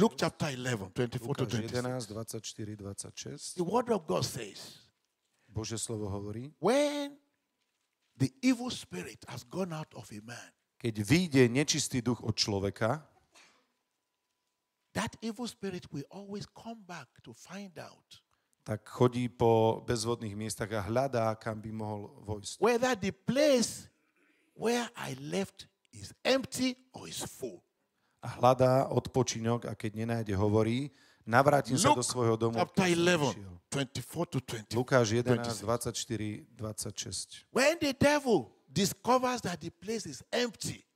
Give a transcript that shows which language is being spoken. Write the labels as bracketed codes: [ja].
[en] Luke chapter 11, 24 to 26. The word of God says. [sk] Božie slovo hovorí. [en] When the evil spirit has gone out of a man. [sk] Keď vyjde nečistý duch od človeka, [en] that evil spirit will always come back to find out. [sk] Tak chodí po bezvodných miestach a hľadá, kam by mohol vojsť. [en] Whether the place where I left is empty or is full. [sk] A hľadá odpočinok a keď nenájde, hovorí, navrátim sa do svojho domu. [en] Luke chapter 11, 24 to 20. [sk] Lukáš 11, 24, 26. [en] When the devil discovers that the place is empty.